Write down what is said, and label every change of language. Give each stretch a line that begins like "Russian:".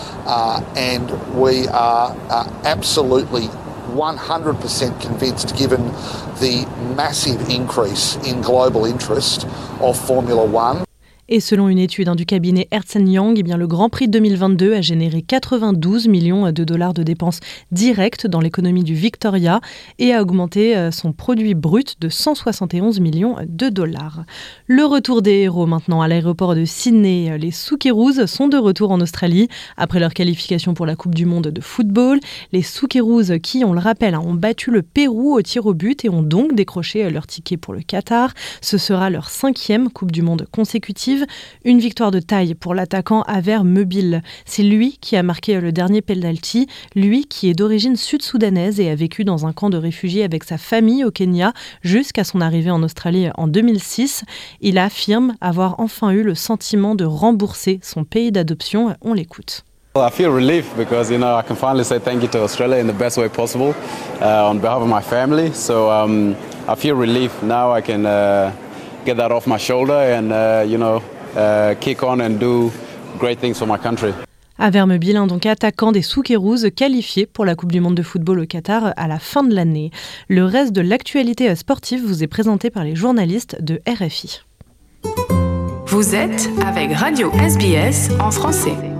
English: And we are absolutely 100% convinced, given the massive increase in global interest of Formula One.
French: Et selon une étude du cabinet Ernst & Young, eh bien le Grand Prix 2022 a généré 92 millions de dollars de dépenses directes dans l'économie du Victoria et a augmenté son produit brut de 171 millions de dollars. Le retour des héros maintenant à l'aéroport de Sydney. Les Socceroos sont de retour en Australie après leur qualification pour la Coupe du Monde de football. Les Socceroos qui, on le rappelle, ont battu le Pérou au tir au but et ont donc décroché leur ticket pour le Qatar. Ce sera leur 5e Coupe du Monde consécutive. Une victoire de taille pour l'attaquant Aver Mebil. C'est lui qui a marqué le dernier penalty, lui qui est d'origine sud-soudanaise et a vécu dans un camp de réfugiés avec sa famille au Kenya jusqu'à son arrivée en Australie en 2006. Il affirme avoir enfin eu le sentiment de rembourser son pays d'adoption. On l'écoute.
English: Well, I feel relief because you know I can finally say thank you to Australia in the best way possible on behalf of my family. So I feel relief now I can get that off my shoulder and you know kick on and do great things for my country.
French: Averme Bilin, donc attaquant des Souquerous, qualifié pour la Coupe du Monde de football au Qatar à la fin de l'année. Le reste de l'actualité sportive vous est présenté par les journalistes de RFI. Vous êtes avec Radio SBS en français.